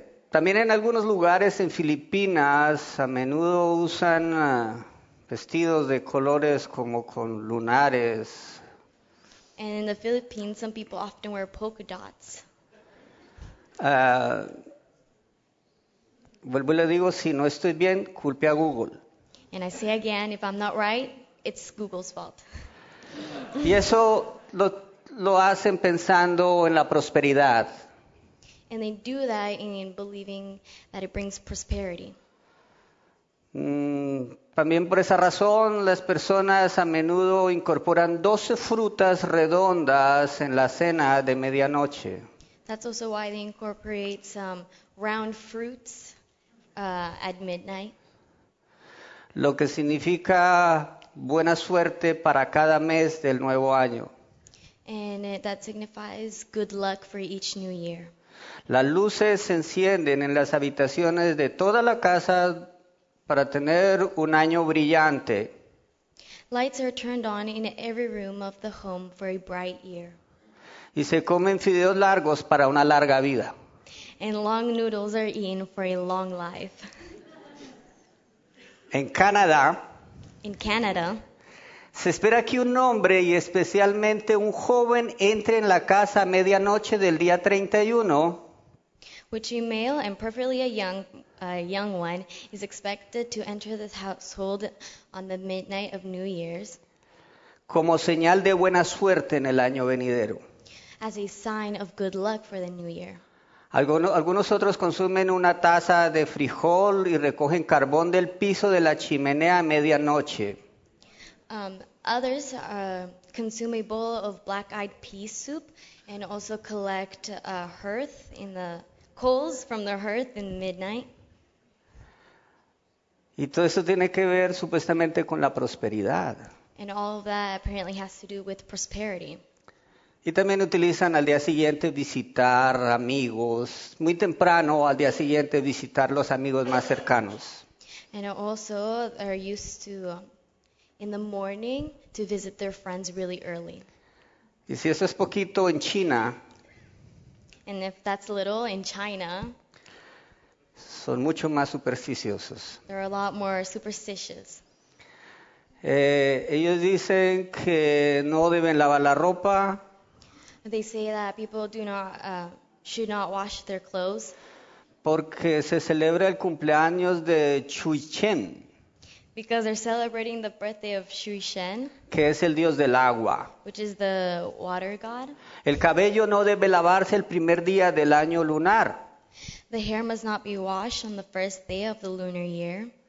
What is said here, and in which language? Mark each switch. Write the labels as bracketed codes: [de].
[es] También en algunos lugares en Filipinas a menudo usan vestidos de colores como con lunares. [en] And in the Philippines, some people often wear polka dots. [es] Vuelvo y le digo, si no estoy bien, culpe a Google. [en] And I say again, if I'm not right, it's Google's fault. [es] Y eso lo hacen pensando en la prosperidad. [en] And they do that in believing that it brings prosperity. [es] También por esa razón, las personas a menudo incorporan 12 frutas redondas en la cena de medianoche. [en] That's also why they incorporate some round fruits at midnight. [es] Lo que significa buena suerte para cada mes del nuevo año. [en] And that signifies good luck for each new year. [es] Las luces se encienden en las habitaciones de toda la casa para tener un año brillante. [en] Lights are turned on in every room of the home for a bright year. [es] Y se comen fideos largos para una larga vida. [en] And long noodles are eaten for a long life. [es] En Canadá, [en] in Canada, [es] se espera que un hombre y especialmente un joven entre en la casa a medianoche del día 31. [en] Which a male and preferably a young one is expected to enter this household on the midnight of New Year's. [es] Como señal de buena suerte en el año venidero. [en] As a sign of good luck for the new year. [es] Algunos otros consumen una taza de frijol y recogen carbón del piso de la chimenea a medianoche. [en] Others consume a bowl of black-eyed pea soup and also collect a hearth in the coals from the hearth in midnight. [es] Y todo eso tiene que ver supuestamente con la prosperidad. [en] And all of that apparently has to do with prosperity. [es] Y también utilizan al día siguiente visitar amigos, muy temprano al día siguiente visitar los amigos más cercanos. [en] And also are used to in the morning to visit their friends really early. [es] Y si eso es poquito en China. [en] And if that's little in China. [es] Son mucho más supersticiosos. [en] They're a lot more superstitious. [es] Ellos dicen que no deben lavar la ropa. [en] They say that people do not should not wash their clothes. [es] Porque se celebra el cumpleaños de Chuichen. [en] Because they're celebrating the birthday of Shui Shen, [es] que es el dios del agua. [en] Which is the water god. [es] El cabello no debe lavarse el primer día del año lunar. [en] The hair must not be washed on the first day of the lunar year.